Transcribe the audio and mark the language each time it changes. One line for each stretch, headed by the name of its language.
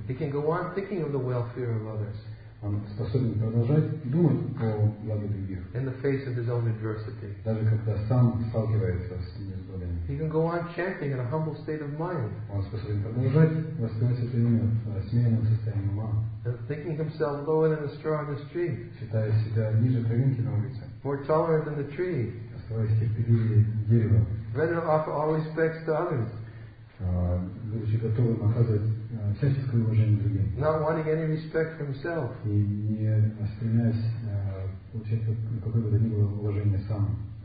English: he can go on thinking of the welfare of others,
Russian: он способен продолжать думать о благе других,
English: in the face of his own adversity,
Russian: даже когда сам сталкивается с ним.
English: He can go on chanting in a humble state of mind.
Russian: Он способен продолжать воспевать это имя в смиренном состоянии ума.
English: And thinking himself lower than the straw in the street.
Russian: Считая себя ниже травинки на улице.
English: More taller than the tree.
Russian: Оставаясь терпеливее дерева.
English: Ready to offer all respects to others.
Russian: Будучи готовым оказывать всяческое уважение другим.
English: Not wanting any respect for himself.
Russian: И не стремясь получать какое бы то ни было уважение сам.